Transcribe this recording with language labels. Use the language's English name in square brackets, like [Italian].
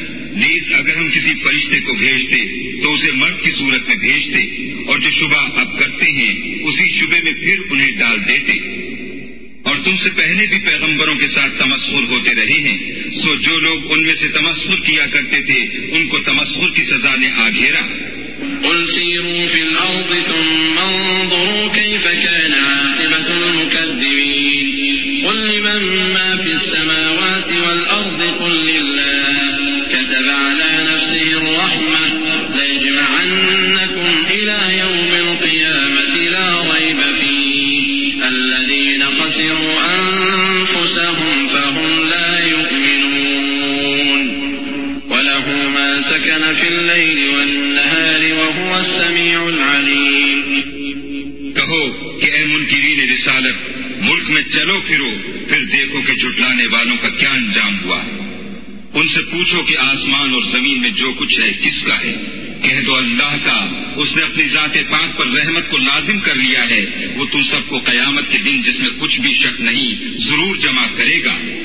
[Urdu] نیز اگر ہم کسی فرشتے کو بھیجتے تو اسے مرد کی صورت میں بھیجتے, اور جو شبہ اب کرتے ہیں اسی شبہ میں پھر انہیں ڈال دیتے, اور تم سے پہلے بھی پیغمبروں کے ساتھ تمسخر ہوتے رہے ہیں سو جو لوگ ان میں سے تمسخر کیا کرتے تھے ان کو تمسخر کی سزا نے آ گھیرا. [Arabic] قل سيروا في الأرض ثم انظروا كيف كان عاقبة المكذبين. قل لمن ما في السماوات والأرض قل لله كتب على نفسه الرحمة ليجمعنكم إلى يوم القيامة لا ريب فيه الذين خسروا أنفسهم فهم لا يؤمنون. وله ما سكن في الليل والنهار وهو السميع العليم. [Urdu] کہو کہ اے منکرین رسالت ملک میں چلو پھرو پھر دیکھو کہ جھٹلانے والوں کا کیا انجام ہوا. ان سے پوچھو کہ آسمان اور زمین میں جو کچھ ہے کس کا ہے, کہہ دو اللہ کا, اس نے اپنی ذات پاک پر رحمت کو لازم کر لیا ہے, وہ تم سب کو قیامت کے دن جس میں کچھ بھی شک نہیں ضرور جمع کرے گا.